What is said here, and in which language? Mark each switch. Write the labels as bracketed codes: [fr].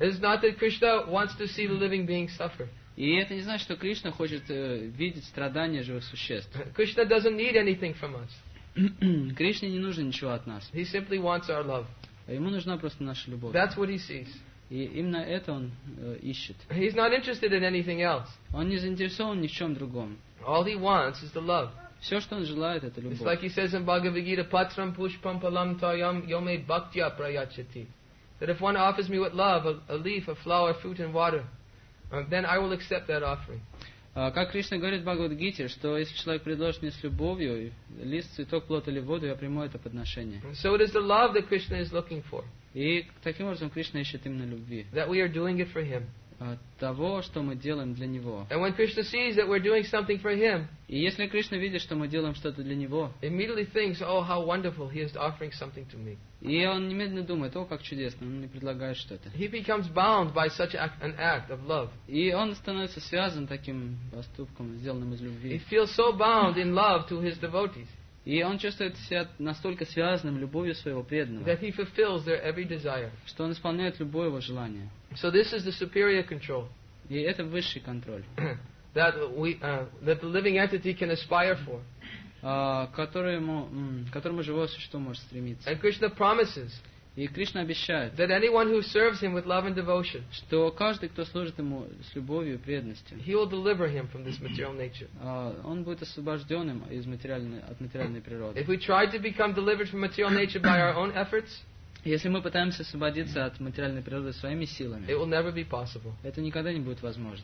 [en] It is not that Krishna wants to see the living beings suffer. [ru] И это не значит, что Кришна хочет видеть страдания живых существ. [en] Krishna doesn't need anything from us. [ru] Кришне не нужно ничего от нас. [en] He simply wants our love. [ru] Ему нужна просто наша любовь. [en] That's what he sees. [ru] И именно это он ищет. [en] He's not interested in anything else. [ru] Он не заинтересован ни в чем другом. [en] All he wants is the love. [ru] Все, что он желает, это любовь. [en] It's like he says in Bhagavad Gita, [sa] Patram Pushpam Palam Tayam Yome Bhaktya Prayachati. [en] That if one offers me with love a leaf, a flower, fruit and water, then I will accept that offering. [ru] Как Кришна говорит в Бхагавад-гите, что если человек предложит мне с любовью лист, цветок, плод или воду, я приму это подношение. [en] So it is the love that Krishna is looking for. [ru] И таким образом Кришна ищет именно любви. [en] That we are doing it for him. [ru] Того, что мы делаем для него. [en] And when Krishna sees that we're doing something for him, [ru] и если Кришна видит, что мы делаем что-то для него, [en] immediately thinks, oh, how wonderful, he is offering something to me. [ru] И он немедленно думает, о, как чудесно, он мне предлагает что-то. [en] He becomes bound by such an act of love. [ru] И он становится связан таким поступком, сделанным из любви. [en] He feels so bound in love to his devotees. [ru] И он чувствует себя настолько связанным любовью своего преданного, [en] that he fulfills their every desire. [ru] Что он исполняет любое его желание. [en] So this is the superior control. [ru] И это высший контроль. [en] That we that the living entity can aspire for. [ru] Которому живое существо может стремиться. [en] And Krishna promises. [ru] И Кришна обещает, [en] that anyone who serves him with love and devotion, [ru] что каждый, кто служит ему с любовью и преданностью, [en] he will deliver him from this material nature. [ru] Он будет освобожден им из материальной природы. [en] If we try to become delivered from material nature by our own efforts, [ru] если мы пытаемся освободиться от материальной природы своими силами, [en] it will never be possible. [ru] Это никогда не будет возможно.